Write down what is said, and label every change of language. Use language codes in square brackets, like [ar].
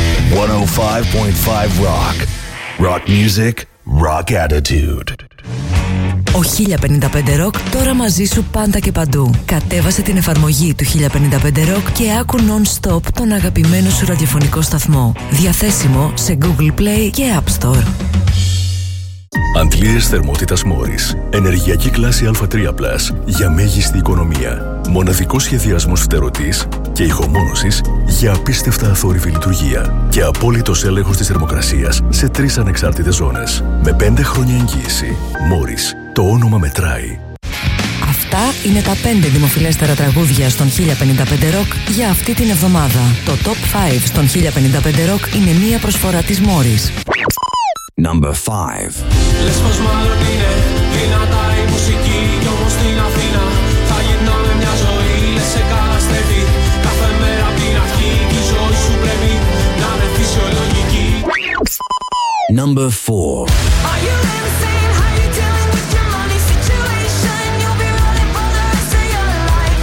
[en] 105.5 Rock. Rock music, rock attitude. [el] Ο 1055 Rock τώρα μαζί σου πάντα και παντού. Κατέβασε την εφαρμογή του 1055 Rock και άκου non-stop τον αγαπημένο σου ραδιοφωνικό σταθμό. Διαθέσιμο σε Google Play και App Store. Αντλίες θερμότητας Μόρις. Ενεργειακή κλάση Α3+, για μέγιστη οικονομία. Μοναδικός σχεδιασμός φτερωτής και ηχομόνωσης για απίστευτα αθόρυβη λειτουργία και απόλυτος έλεγχος της θερμοκρασίας σε 3 ανεξάρτητες ζώνες. Με 5 χρόνια εγγύηση. Μόρις. Το όνομα μετράει. Αυτά είναι τα 5 δημοφιλέστερα τραγούδια στον 1055 Rock για αυτή την εβδομάδα. Το Top 5 στον 1055 Rock είναι μία προσφορά της Μόρις. [en] Number 5. [el] Λες πως μάλλον είναι δυνατά η μουσική κι όμως στην Αθήνα θα γυρνάμε μια ζωή, λες σε καταστρέφει κάθε μέρα απ' την αρχή κι η ζωή σου πρέπει να είναι φυσιολογική. [en] Number 4. Are you insane? How you dealing with your money situation? You'll be running for the rest of your life.